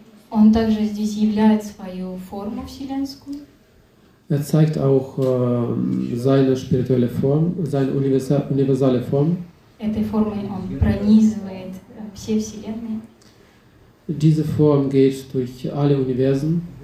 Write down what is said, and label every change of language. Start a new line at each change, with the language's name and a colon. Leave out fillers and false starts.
Russian: Он также здесь являет свою форму вселенскую.
German: Er zeigt auch seine spirituelle Form, seine universelle Form.
Russian: Этой формой он пронизывает все вселенные.
German: Diese Form geht durch alle Universen.